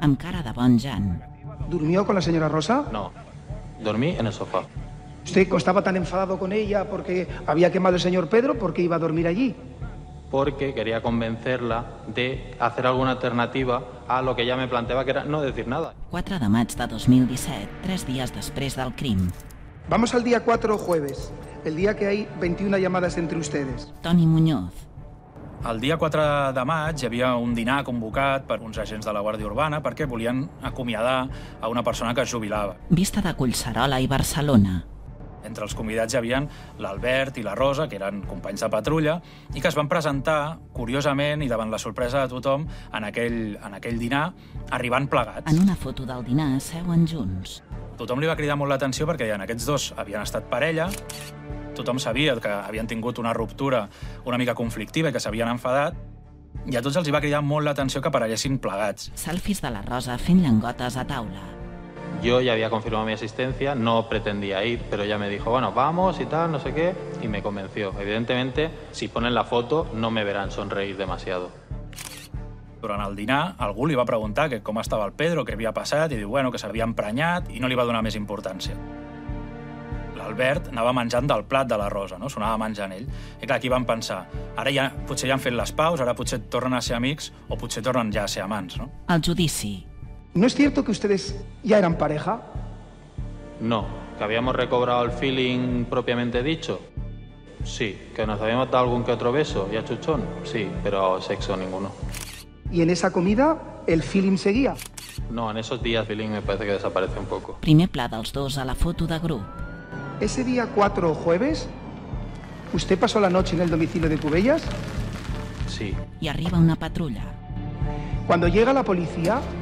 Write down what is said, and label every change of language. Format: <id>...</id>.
<ca>Amb cara de bon Jan.</ca> <es>¿Durmió con la señora Rosa? No, dormí en el sofá. ¿Usted estaba tan enfadado con ella porque había quemado el señor Pedro? ¿Por qué iba a dormir allí? porque quería convencerla de hacer alguna alternativa a lo que ella me planteaba, que era no decir nada.</es> <ca>4 de maig de 2017, 3 dies després del crim.</ca> <es>Vamos al día 4, jueves, el día que hay 21 llamadas entre ustedes. Toni Muñoz.</es> <ca>El dia 4 de maig hi havia un dinar convocat per uns agents de la Guàrdia Urbana perquè volien acomiadar a una persona que es jubilava. Vista de Collserola i Barcelona. Entre els convidats hi havia l'Albert i la Rosa, que eren companys de patrulla, i que es van presentar, curiosament i davant la sorpresa de tothom, en aquell dinar, arribant plegats. En una foto del dinar seuen junts. Tothom li va cridar molt l'atenció perquè deien, aquests dos havien estat parella, tothom sabia que havien tingut una ruptura una mica conflictiva i que s'havien enfadat, i a tots els va cridar molt l'atenció que apareguessin plegats. Selfies de la Rosa fent llengotes a taula.</ca> <es>Yo ya había confirmado mi asistencia, no pretendía ir, pero ella me dijo, bueno, vamos y tal, no sé qué, y me convenció. Evidentemente, si ponen la foto, no me verán sonreír demasiado.</es> <ca>Durant el dinar, algú li va preguntar que com estava el Pedro, què havia passat, i diu, bueno, que s'havia emprenyat, i no li va donar més importància. L'Albert anava menjant del plat de la Rosa, no? Sonava menjant ell. I clar, aquí van pensar, ara ja potser ja han fet les paus, ara potser tornen a ser amics, o potser tornen ja a ser amants, no? El judici.</ca> <es>¿No es cierto que ustedes ya eran pareja? No, que habíamos recobrado el feeling propiamente dicho. Sí, que nos habíamos dado algún que otro beso y achuchón. Sí, pero sexo ninguno. ¿Y en esa comida el feeling seguía? No, en esos días el feeling me parece que desaparece un poco.</es> <ca>Primer pla dels dos a la foto de grup.</ca> <es>¿Ese día 4 jueves usted pasó la noche en el domicilio de Cubellas? Sí. Y arriba una patrulla. Cuando llega la policía...</es>